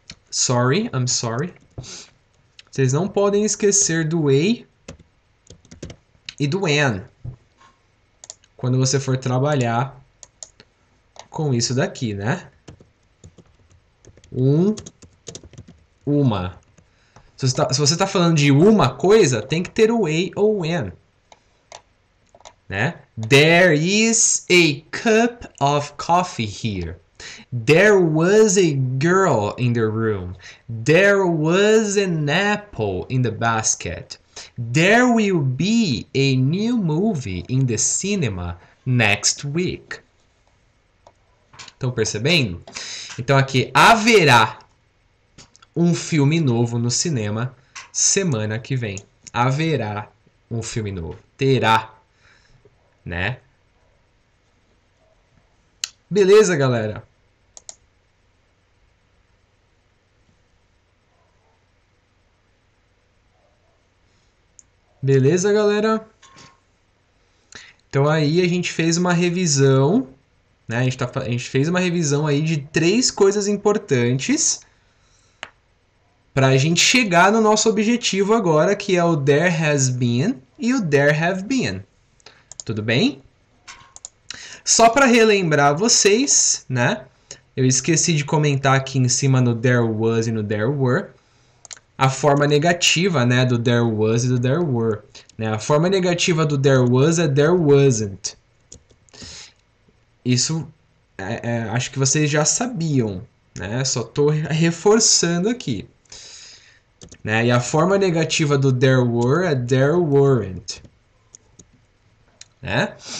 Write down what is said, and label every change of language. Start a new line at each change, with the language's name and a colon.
English: Sorry, I'm sorry.
Portuguese: Vocês não podem esquecer do a e do an quando você for trabalhar com isso daqui, né? Uma. Se você está falando de uma coisa, tem que ter o a ou o an, né?
English: There is a cup of coffee here. There was a girl in the room. There was an apple in the basket. There will be a new movie in the cinema next week.
Portuguese: Estão percebendo? Então aqui haverá um filme novo no cinema semana que vem. Haverá um filme novo. Terá, né? Beleza, galera? Beleza, galera? Então aí a gente fez uma revisão, né? A gente fez uma revisão aí de três coisas importantes para a gente chegar no nosso objetivo agora, que é o there has been e o there have been. Tudo bem? Só para relembrar vocês, né? Eu esqueci de comentar aqui em cima no there was e no there were a forma negativa, né, do there was e do there were, né? A forma negativa do there was é there wasn't. Isso acho que vocês já sabiam, né? Só estou reforçando aqui. Né? E a forma negativa do there were é there weren't. Né?